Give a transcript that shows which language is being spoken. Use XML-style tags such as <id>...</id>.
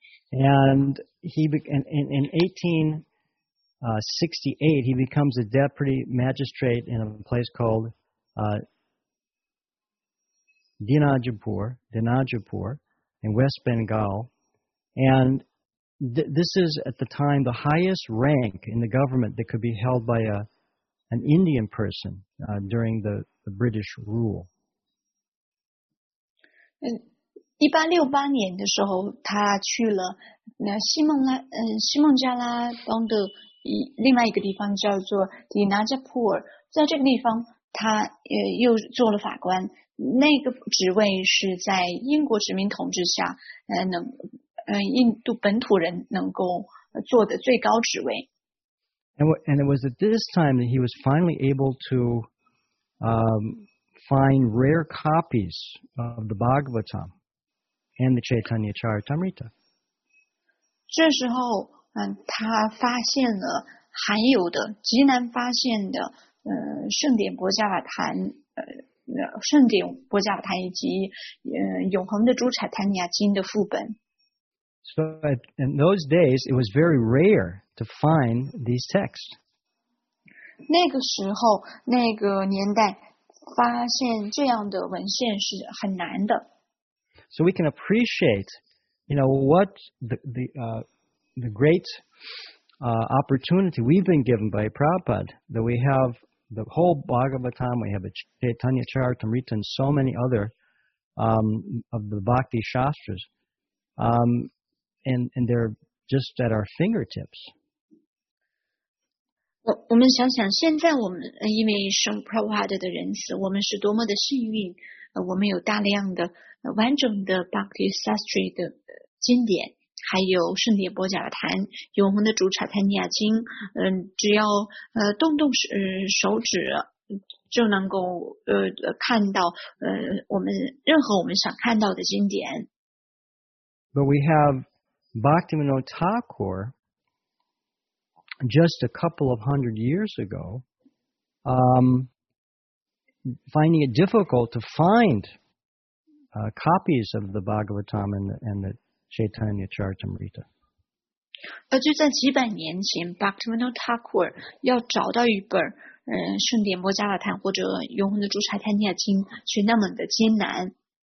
<en>And he in 1868, he becomes a deputy magistrate in a place called Dinajpur in West Bengal. And this is at the time the highest rank in the government that could be held by an Indian person during the British rule.</en> <zh>1868年的时候，他去了那西孟加拉邦的另外一个地方，叫做 Dinajpur。在这个地方，他又做了法官。那个职位是在英国殖民统治下，印度本土人能够做的最高职位。</zh> <en>And it was at this time that he was finally able to find rare copies of the Bhagavatam. And the Chaitanya Charitamrita.</en> <zh>这时候，他发现了罕有的、极难发现的，圣典薄伽瓦坛，圣典薄伽瓦坛以及，永恒的诸查坦尼亚经的副本。</zh> <en>So in those days, it was very rare to find these texts.</en> <zh>那个时候，那个年代，发现这样的文献是很难的。</zh> <en>So we can appreciate, you know, what the great opportunity we've been given by Prabhupada, that we have the whole Bhagavatam, we have a Chaitanya Charitamrita, and so many other of the Bhakti Shastras, and they're just at our fingertips.</en> <zh>我们想想，现在我们因为受 Prabhupada 的仁慈，我们是多么的幸运。我们有大量的完整的 Bhakti Sastri 的经典，还有圣典薄伽瓦坛、永恒的主查坦尼亚经，只要动动手指，就能够看到我们任何我们想看到的经典。</zh> <en>But we have Bhaktivinoda Thakur just a couple of hundred years ago. Finding it difficult to find copies of the Bhagavatam and the Chaitanya Charitamrita.</en> <zh>就在几百年前 ，Bhaktivinoda Thakur 要找到一本圣典薄伽瓦坛或者永恒的诸查坦尼亚经，却那么的艰难。</zh>